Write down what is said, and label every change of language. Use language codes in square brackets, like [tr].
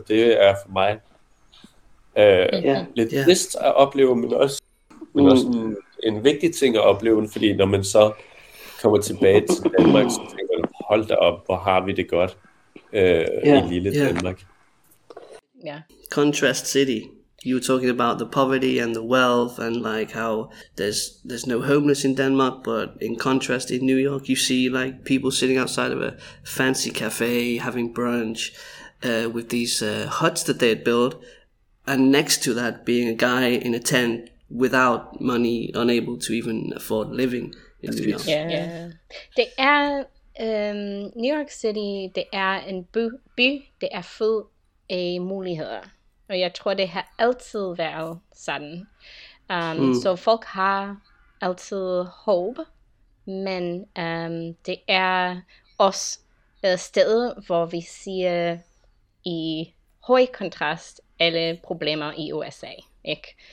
[da] Og det er for mig lidt trist at opleve, men også en vigtig ting at opleve, fordi når man så kommer tilbage til Danmark, så tænker man, hold da op, hvor har vi det godt i lille Danmark. [en] Yeah. Contrast City. You were talking about the poverty and the wealth and like how there's no homeless in Denmark, but in contrast in New York, you see like people sitting outside of a fancy cafe having brunch with these huts that they had built, and next to that being a guy in a tent without money, unable to even afford living in New York. [da] Yeah. Det er New York City, det er en by, det er fuld af muligheder. Og jeg tror, det har altid været sådan. Så folk har altid håb, men det er også et sted, hvor vi ser i høj kontrast alle problemer i USA. Ikke?